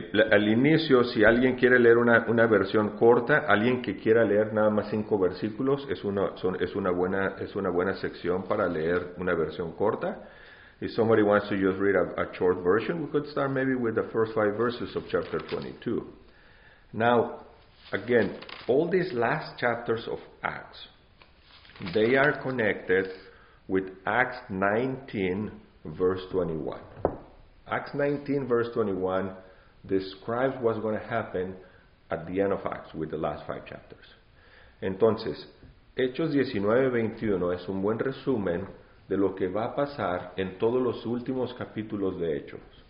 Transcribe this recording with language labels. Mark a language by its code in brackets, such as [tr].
[es] Al inicio, si alguien quiere leer una versión corta, alguien que quiera leer nada más 5 versículos, es una buena sección para leer una versión corta. [en] If somebody wants to just read a short version, we could start maybe with the first 5 verses of chapter 22. Now, again, all these last chapters of Acts, they are connected with Acts 19, verse 21. Acts 19, verse 21 describes what's going to happen at the end of Acts with the last 5 chapters. [es] Entonces, Hechos 19:21 es un buen resumen de lo que va a pasar en todos los últimos capítulos de Hechos.